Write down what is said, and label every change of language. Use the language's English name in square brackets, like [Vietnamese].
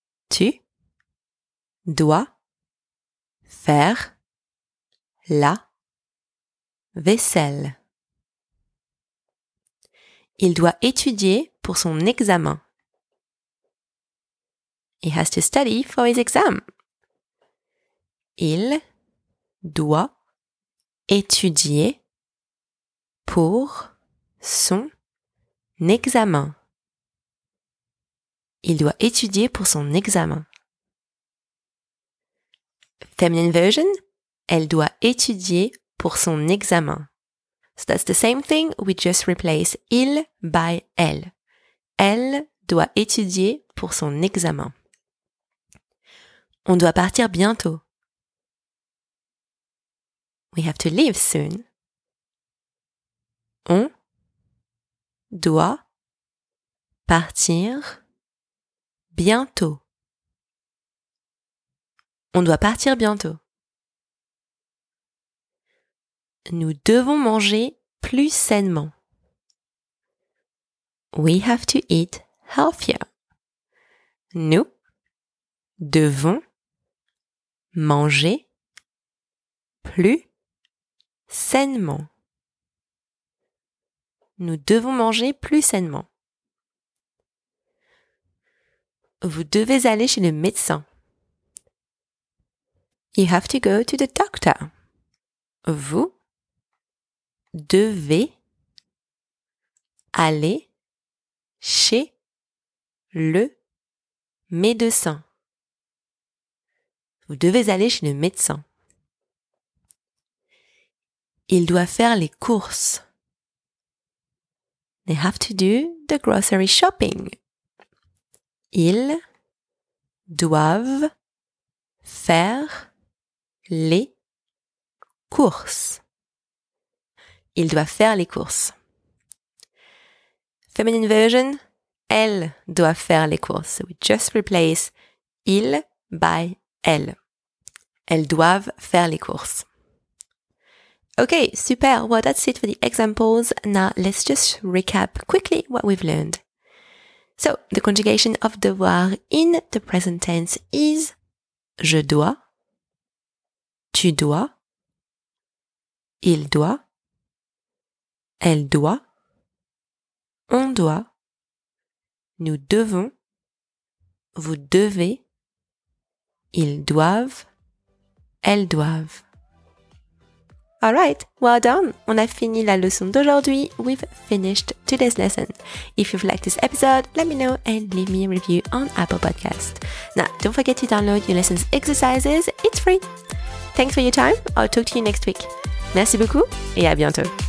[French] Tu dois faire la vaisselle. Il doit étudier pour son examen. [English] He has to study for his exam. [French] Il doit étudier pour son examen. Il doit étudier pour son examen. [English] Feminine version, [French] elle doit étudier pour son examen. [English] So that's the same thing, we just replace il by elle. [French] Elle doit étudier pour son examen. On doit partir bientôt. [English] We have to leave soon. [French] On doit partir bientôt. On doit partir bientôt. Nous devons manger plus sainement. [English] We have to eat healthier. [French] Nous devons manger plus sainement. Nous devons manger plus sainement. Vous devez aller chez le médecin. [English] You have to go to the doctor. [French] Vous devez aller chez le médecin. Vous devez aller chez le médecin. Il doit faire les courses. [English] They have to do the grocery shopping. [French] Ils doivent faire les courses. Ils doivent faire les courses. [English] Feminine version, [French] elle doit faire les courses. [English] So we just replace il by elle. [French] Elles doivent faire les courses. [English] Okay, super. Well, that's it for the examples. Now, let's just recap quickly what we've learned. So, the conjugation of devoir in the present tense is [French] je dois, tu dois, il doit, elle doit, on doit, nous devons, vous devez, ils doivent, elles doivent. [English] Alright, well done! [French] On a fini la leçon d'aujourd'hui. [English] We've finished today's lesson. If you've liked this episode, let me know and leave me a review on Apple Podcasts. Now, don't forget to download your lesson's exercises. It's free! Thanks for your time. I'll talk to you next week. [French] Merci beaucoup et à bientôt!